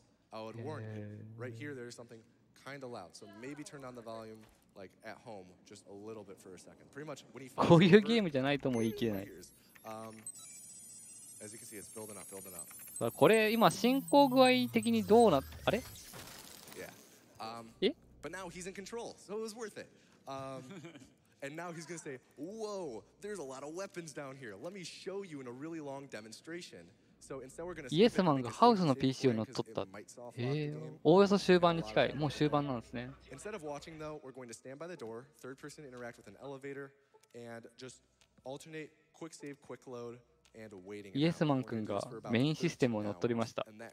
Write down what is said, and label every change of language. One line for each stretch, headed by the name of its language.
English: I would warn you, right here there's something kind of loud, so maybe turn down the volume like at home just a little bit for a second. Pretty much when he
Japanese: finds こういうゲームじゃないとも言い切れない。
English: As you can see, it's building up, building up.
Japanese: これ今進行具合的にどうなっ、あれ？
English: Yeah.
Japanese: え？
English: But now he's in control, so it was worth it. And now he's gonna say, whoa, there's a lot of weapons down here. Let me show you in a really long demonstration.
Japanese: イエスマンがハウスの PC を乗っ取った。へえ、おおよそ終盤に近い。もう終盤なんですね。
English: Instead of watching though, we're going to stand by the door, third person interact with an elevator, and just alternate quick save, quick load, and waiting.
Japanese: イエスマン君がメインシステムを乗っ取りました。